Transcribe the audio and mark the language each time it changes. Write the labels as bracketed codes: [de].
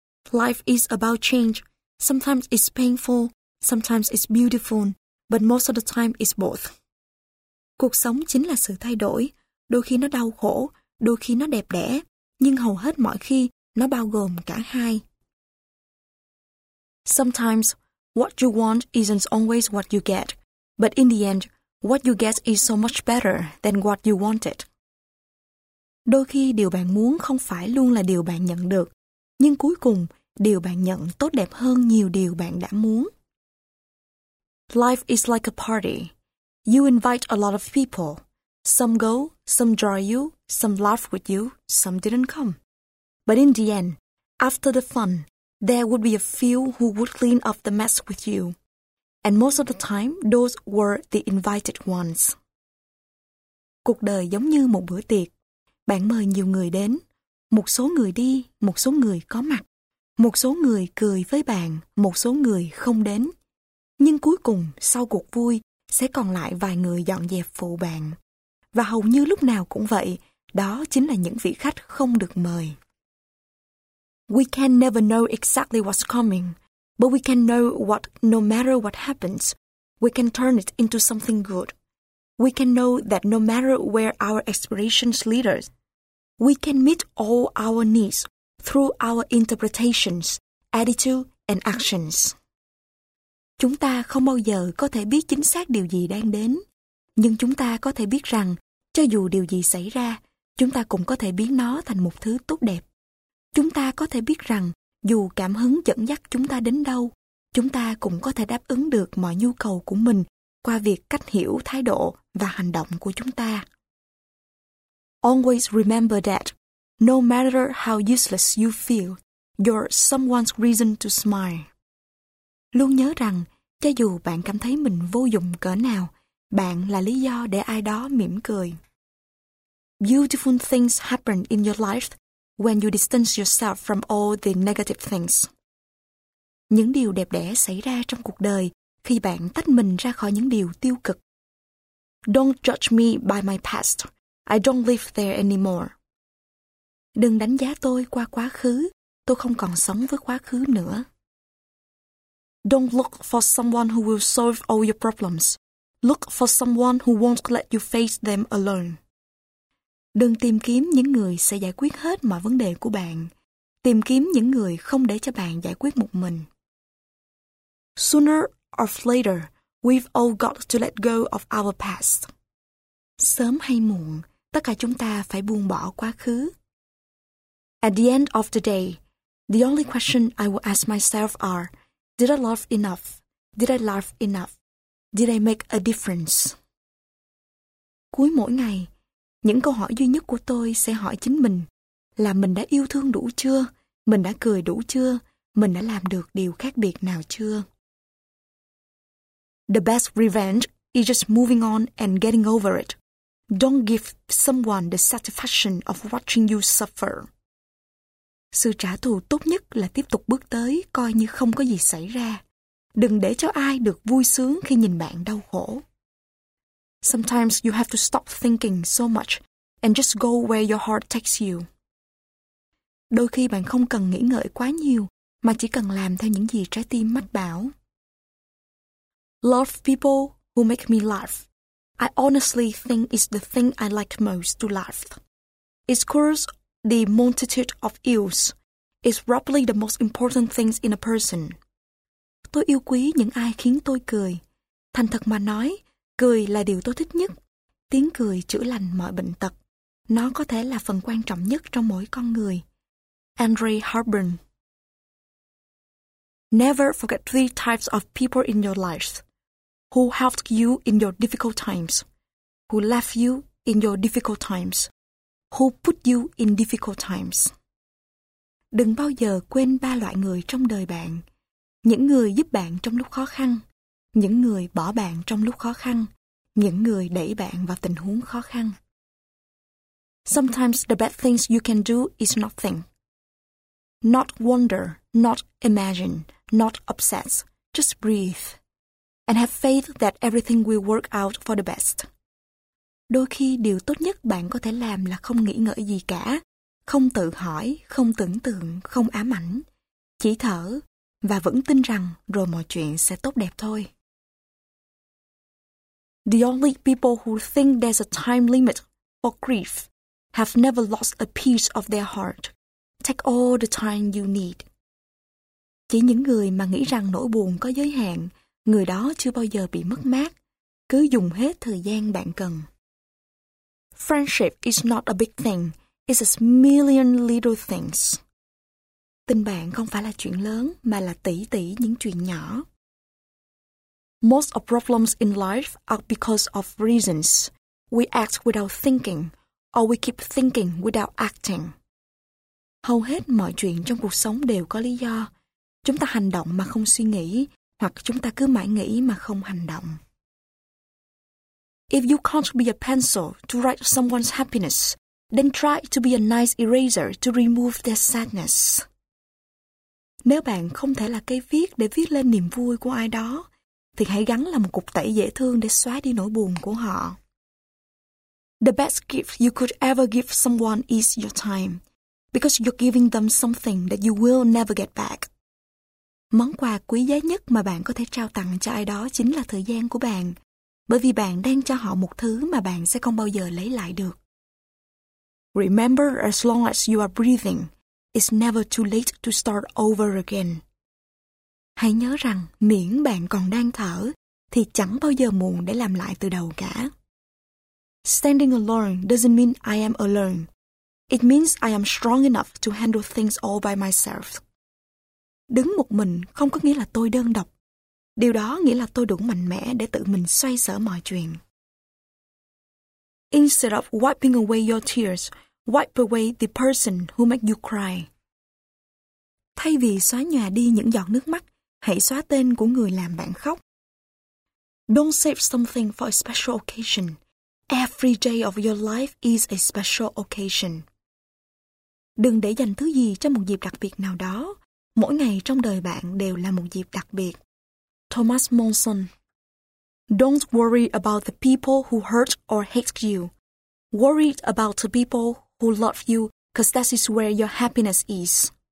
[en] Life is about change. Sometimes it's painful, sometimes it's beautiful, but most of the time it's both. [vi] Cuộc sống chính là sự thay đổi. Đôi khi nó đau khổ, đôi khi nó đẹp đẽ, nhưng hầu hết mọi khi nó bao gồm cả hai. [en] Sometimes what you want isn't always what you get, but in the end, what you get is so much better than what you wanted. [vi] Đôi khi điều bạn muốn không phải luôn là điều bạn nhận được, nhưng cuối cùng, điều bạn nhận tốt đẹp hơn nhiều điều bạn đã muốn. [en] Life is like a party. You invite a lot of people. Some go, some draw you, some laugh with you, some didn't come. But in the end, after the fun, there would be a few who would clean up the mess with you. And most of the time, those were the invited ones. [vi] Cuộc đời giống như một bữa tiệc. Bạn mời nhiều người đến. Một số người đi, một số người có mặt. Một số người cười với bạn, một số người không đến. Nhưng cuối cùng, sau cuộc vui, sẽ còn lại vài người dọn dẹp phụ bạn. Và hầu như lúc nào cũng vậy, đó chính là những vị khách không được mời. [en] We can never know exactly what's coming. But we can know what, no matter what happens, we can turn it into something good. We can know that no matter where our aspirations lead us, we can meet all our needs through our interpretations, attitude, and actions. [vi] Chúng ta không bao giờ có thể biết chính xác điều gì đang đến, nhưng chúng ta có thể biết rằng, cho dù điều gì xảy ra, chúng ta cũng có thể biến nó thành một thứ tốt đẹp. Chúng ta có thể biết rằng, dù cảm hứng dẫn dắt chúng ta đến đâu, chúng ta cũng có thể đáp ứng được mọi nhu cầu của mình qua việc cách hiểu thái độ và hành động của chúng ta. [en] Always remember that, no matter how useless you feel, you're someone's reason to smile. [vi] Luôn nhớ rằng, cho dù bạn cảm thấy mình vô dụng cỡ nào, bạn là lý do để ai đó mỉm cười. [en] Beautiful things happen in your life when you distance yourself from all the negative things. [vi] Những điều đẹp đẽ xảy ra trong cuộc đời khi bạn tách mình ra khỏi những điều tiêu cực. [en] Don't judge me by my past. I don't live there anymore. [vi] Đừng đánh giá tôi qua quá khứ. Tôi không còn sống với quá khứ nữa. [en] Don't look for someone who will solve all your problems. Look for someone who won't let you face them alone. [vi] Đừng tìm kiếm những người sẽ giải quyết hết mọi vấn đề của bạn. Tìm kiếm những người không để cho bạn giải quyết một mình. [en] Sooner or later, we've all got to let go of our past. [vi] Sớm hay muộn, tất cả chúng ta phải buông bỏ quá khứ. [en] At the end of the day, the only question I will ask myself are, did I love enough? Did I love enough? Did I make a difference? [vi] Cuối mỗi ngày, những câu hỏi duy nhất của tôi sẽ hỏi chính mình là mình đã yêu thương đủ chưa? Mình đã cười đủ chưa? Mình đã làm được điều khác biệt nào chưa? [en] The best revenge is just moving on and getting over it. Don't give someone the satisfaction of watching you suffer. [vi] Sự trả thù tốt nhất là tiếp tục bước tới coi như không có gì xảy ra. Đừng để cho ai được vui sướng khi nhìn bạn đau khổ. [en] Sometimes you have to stop thinking so much and just go where your heart takes you. [vi] Đôi khi bạn không cần nghĩ ngợi quá nhiều mà chỉ cần làm theo những gì trái tim mách bảo. [en] Love people who make me laugh. I honestly think it's the thing I like most to laugh. It's cures the multitude of ills. It's probably the most important things in a person. [vi] Tôi yêu quý những ai khiến tôi cười. Thành thật mà nói, cười là điều tôi thích nhất. Tiếng cười chữa lành mọi bệnh tật. Nó có thể là phần quan trọng nhất trong mỗi con người. [en] Andre Harburn. Never forget three types of people in your life. Who helped you in your difficult times. Who left you in your difficult times. Who put you in difficult times. [vi] Đừng bao giờ quên ba loại người trong đời bạn. Những người giúp bạn trong lúc khó khăn. Những người bỏ bạn trong lúc khó khăn. Những người đẩy bạn vào tình huống khó khăn. [en] Sometimes the bad things you can do is nothing. Not wonder, not imagine, not obsess. Just breathe. And have faith that everything will work out for the best. [vi] Đôi khi điều tốt nhất bạn có thể làm là không nghĩ ngợi gì cả. Không tự hỏi, không tưởng tượng, không ám ảnh. Chỉ thở. Và vẫn tin rằng rồi mọi chuyện sẽ tốt đẹp thôi. [en] The only people who think there's a time limit for grief have never lost a piece of their heart. Take all the time you need. [vi] Chỉ những người mà nghĩ rằng nỗi buồn có giới hạn, người đó chưa bao giờ bị mất mát. Cứ dùng hết thời gian bạn cần. [en] Friendship is not a big thing. It's a million little things. [vi] Tình bạn không phải là chuyện lớn, mà là tỷ tỷ những chuyện nhỏ. [en] Most of problems in life are because of reasons. We act without thinking, or we keep thinking without acting. [vi] Hầu hết mọi chuyện trong cuộc sống đều có lý do. Chúng ta hành động mà không suy nghĩ, hoặc chúng ta cứ mãi nghĩ mà không hành động. [en] If you can't be a pencil to write someone's happiness, then try to be a nice eraser to remove their sadness. [vi] Nếu bạn không thể là cây viết để viết lên niềm vui của ai đó, thì hãy gắn là một cục tẩy dễ thương để xóa đi nỗi buồn của họ. [en] The best gift you could ever give someone is your time, because you're giving them something that you will never get back. [vi] Món quà quý giá nhất mà bạn có thể trao tặng cho ai đó chính là thời gian của bạn, bởi vì bạn đang cho họ một thứ mà bạn sẽ không bao giờ lấy lại được. [en] Remember, as long as you are breathing, it's never too late to start over again. [vi] Hãy nhớ rằng miễn bạn còn đang thở thì chẳng bao giờ muộn để làm lại từ đầu cả. [en] Standing alone doesn't mean I am alone. It means I am strong enough to handle things all by myself. [vi] Đứng một mình không có nghĩa là tôi đơn độc. Điều đó nghĩa là tôi đủ mạnh mẽ để tự mình xoay sở mọi chuyện. [en] Instead of wiping away your tears, wipe away the person who made you cry. [vi] Thay vì xóa nhòa đi những giọt nước mắt, hãy xóa tên của người làm bạn khóc. [en] Don't save something for a special occasion. Every day of your life is a special occasion. [vi] Đừng để dành thứ gì cho một dịp đặc biệt nào đó, Mỗi ngày trong đời bạn đều là một dịp đặc biệt. [en] Thomas Monson. Don't worry about the people who hurt or hate you. Worry about the people who love you, because that is where your happiness is.